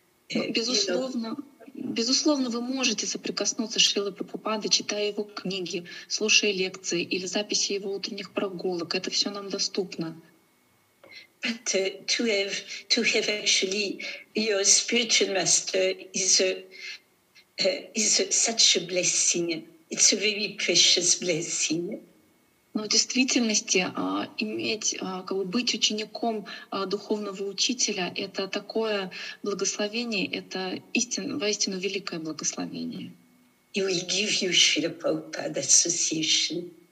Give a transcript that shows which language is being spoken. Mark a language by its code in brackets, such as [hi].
[ru] Безусловно, безусловно, вы можете соприкоснуться с Шрилой Прабхупадой, читая его книги, слушая лекции или записи его утренних прогулок. Это все нам доступно. [en] But to have actually your spiritual master is such a blessing. It's a very precious blessing. [ru] Но в действительности быть учеником духовного учителя — это такое благословение, это воистину великое благословение. [en] He will give you Srila Prabhupada association.